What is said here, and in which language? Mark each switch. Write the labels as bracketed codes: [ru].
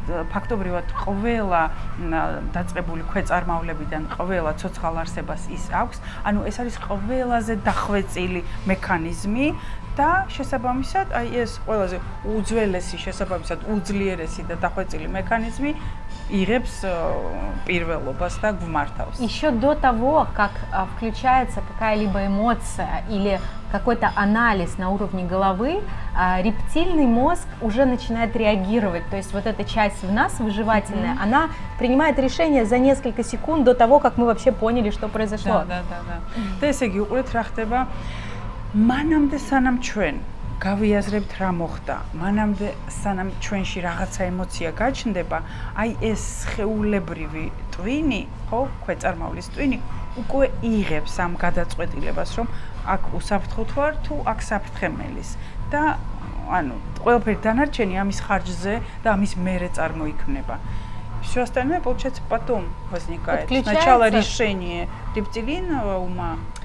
[ka] ფაქტობრივად ყველა დაწყებული ქვეწარმავლებიდან ყველა ცოცხალ არსებას ის აქვს, ანუ ეს არის ყველაზე დახვეწილი მექანიზმი და შესაბამისად, აი ეს ყველაზე უძველესი, შესაბამისად უძლიერესი და დახვეწილი მექანიზმი იღებს პირველობას და გვმართავს. [ru] Ещё до того, как включается какая-либо эмоция или какой-то анализ на уровне головы, рептильный мозг уже начинает реагировать. То есть вот эта часть в нас выживательная, она принимает решение за несколько секунд до того, как мы вообще поняли, что произошло. Да, да, да, да. То есть [ka] ეგ უყურეთ რა ხდება მანამდე სანამ ჩვენ გავიაზრებთ რა მოხდა, მანამდე სანამ ჩვენში რაღაცა ემოცია გაჩნდება, აი ეს სხეულებრივი ტვინი, ხო, ქვეწარმავლის ტვინი უკვე იღებს ამ გადაწყვეტილებას, რომ აქ უსაფრთხოთ ვარ თუ აქ საფრთხემელის და ანუ ყველაფერი დანარჩენი ამის ხარჯზე და ამის მერე წარმოიქმნება. [ru] Всё остальное получается потом возникает. Сначала решение рептилинового ума.